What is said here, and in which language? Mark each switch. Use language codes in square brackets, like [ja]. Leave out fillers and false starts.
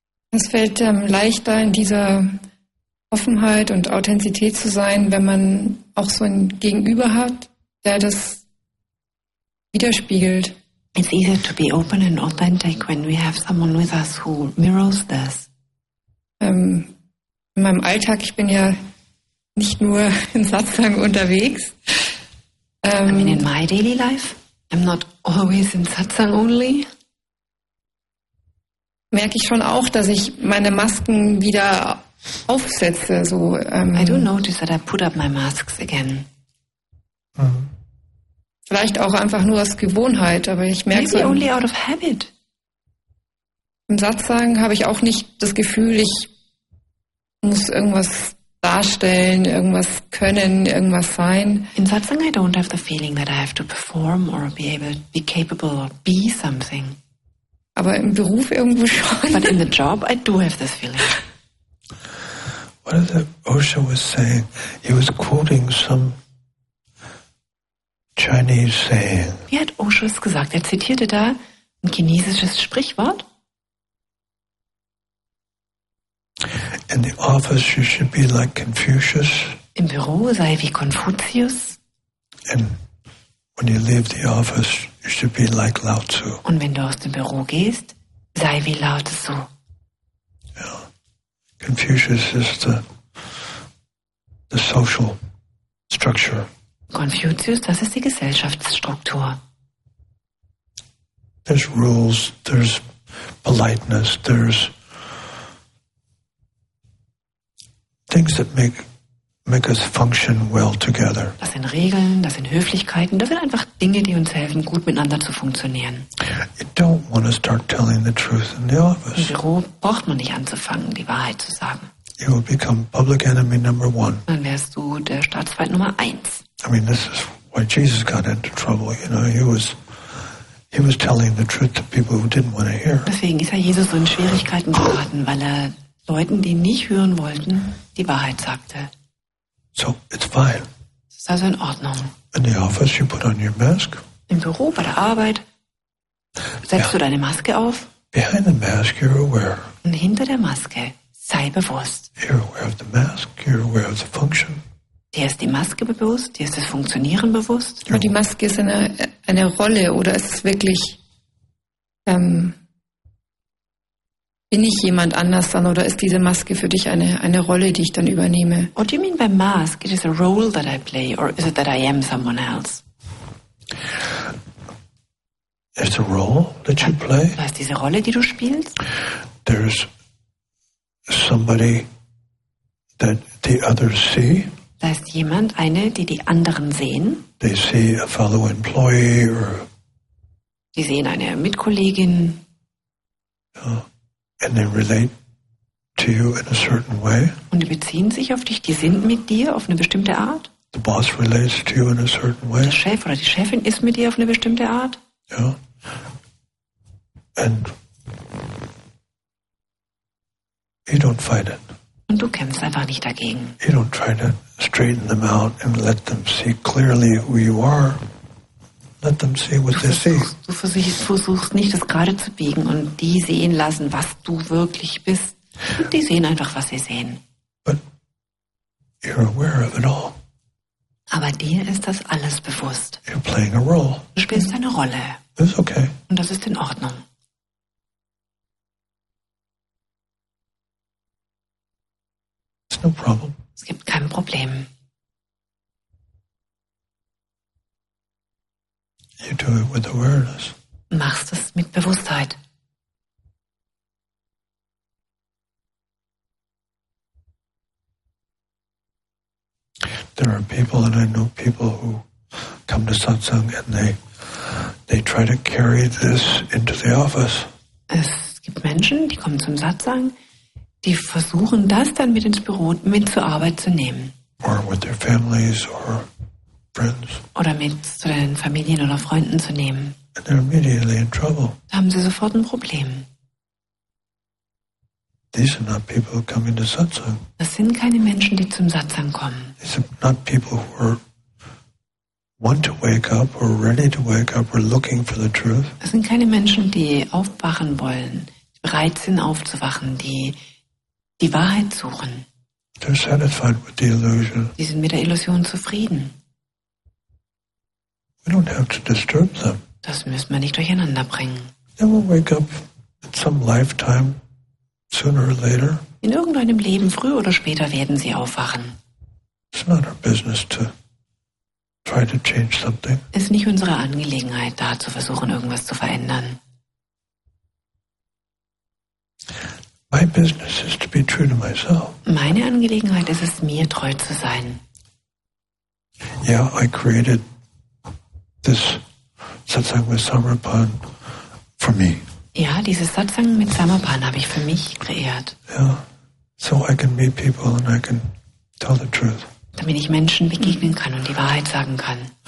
[de] Es fällt leichter, in dieser Offenheit und Authentizität zu sein, wenn man auch so ein Gegenüber hat, der das widerspiegelt. [en] It's easier to be open and authentic when we have someone with us who mirrors this. [de] In meinem Alltag, ich bin ja nicht nur in Satsang unterwegs. [en] I mean, in my daily life, I'm not always in Satsang only. [de] Merke ich schon auch, dass ich meine Masken wieder aufsetze. [en] So, I do notice that I put up my masks again. Mhm. [de] Vielleicht auch einfach nur aus Gewohnheit, aber ich merke [en] maybe so. Only out of habit. [de] Im Satsang habe ich auch nicht das Gefühl, ich muss irgendwas darstellen, irgendwas können, irgendwas sein. [en] In Satsang I don't have the feeling that I have to perform or be capable or be something. [de] Aber im Beruf irgendwo schon. [en] But in the job, I do have this feeling. What is it Osho was saying? He was quoting some Chinese saying. [de] Wie hat Osho es gesagt? Er zitierte da ein chinesisches Sprichwort. [en] In the office, you should be like Confucius. [de] Im Büro sei wie Konfuzius. [en] And when you leave the office, you should be like Lao Tzu. [de] Und wenn du aus dem Büro gehst, sei wie Lao Tzu. [en] Yeah. Confucius is the social structure. [de] Konfuzius, das ist die Gesellschaftsstruktur. [en] There's rules, there's politeness, there's things that make us function well together. [de] Das sind Regeln, das sind Höflichkeiten, das sind einfach Dinge, die uns helfen, gut miteinander zu funktionieren. [en] You don't want to start telling the truth in the office. [de] Im Büro braucht man nicht anzufangen, die Wahrheit zu sagen. [en] You will become public enemy number one. [de] Dann wärst du der Staatsfeind Nummer eins. [en] I mean, this is why Jesus got into trouble. You know, he was telling the truth to people who didn't want to hear. [de] Deswegen ist ja Jesus so in Schwierigkeiten geraten, weil er Leuten, die nicht hören wollten, die Wahrheit sagte. [en] So it's fine. [de] Es ist also in Ordnung. [en] In the office, you put on your mask. [de] Im Büro, bei der Arbeit, setzt du deine Maske auf. [en] Behind the mask, you're aware. [de] Und hinter der Maske, sei bewusst. [en] You're aware of the mask, you're aware of the function. [de] Dir ist die Maske bewusst, dir ist das Funktionieren bewusst. Aber die Maske ist eine Rolle, oder ist es wirklich, bin ich jemand anders dann oder ist diese Maske für dich eine Rolle, die ich dann übernehme? [en] What do you mean by mask? It is a role that I play or is it that I am someone else? It's a role that you play. [de] Was ist diese Rolle, die du spielst? [en] There's somebody that the others see. [de] Da ist jemand, eine, die die anderen sehen. [en] They see a fellow employee or... [de] Die sehen eine Mitkollegin. [en] And they relate to you in a certain way. [de] Und die beziehen sich auf dich, die sind mit dir auf eine bestimmte Art. [en] The boss relates to you in a certain way. [de] Der Chef oder die Chefin ist mit dir auf eine bestimmte Art. [en] Yeah. And you don't fight it. [de] Und du kämpfst einfach nicht dagegen. [en] You don't try to straighten them out and let them see clearly who you are. Let them see what they see. [de] Du versuchst nicht, das gerade zu biegen und die sehen lassen, was du wirklich bist. Und die sehen einfach, was sie sehen. [en] But you're aware of it all. [de] Aber dir ist das alles bewusst. [en] You're playing a role. [de] Du spielst eine Rolle. [en] It's okay. [de] Und das ist in Ordnung. [en] It's no problem. [de] Es gibt kein Problem. [en] You do it with awareness. [de] Machst es mit Bewusstheit. [en] There are people, and I know people who come to satsang and they try to carry this into the office. [de] Es gibt Menschen, die kommen zum Satsang, die versuchen das dann mit ins Büro, mit zur Arbeit zu nehmen. [en] Or with their families or friends. [de] Oder mit zu den Familien oder Freunden zu nehmen. [en] And they're immediately in trouble. [de] Da haben sie sofort ein Problem. [en] These are not people who come into satsang. [de] Das sind keine Menschen, die zum Satsang kommen. [en] These are not people who are want to wake up or ready to wake up or looking for the truth. [de] Das sind keine Menschen, die aufwachen wollen, die bereit sind aufzuwachen, die die Wahrheit suchen. [en] They're satisfied with the illusion. [de] Die sind mit der Illusion zufrieden. [en] We don't have to disturb them. [de] Das müssen wir nicht durcheinander bringen. [en] They will wake up in some lifetime. Sooner or later. [de] In irgendeinem Leben, früher oder später, werden sie aufwachen. [en] It's not our business to try to change something. [de] Es ist nicht unsere Angelegenheit, da zu versuchen, irgendwas zu verändern. [en] My business is to be true to myself. [de] Meine Angelegenheit ist es, mir treu zu sein. [en] Yeah, I created this satsang with Samarpan for me. [de] Ja, dieses Satsang mit Samarpan habe ich für mich kreiert. [en] Ja, so I can meet people and I can tell the truth. [de] Damit ich Menschen begegnen kann und die Wahrheit sagen kann.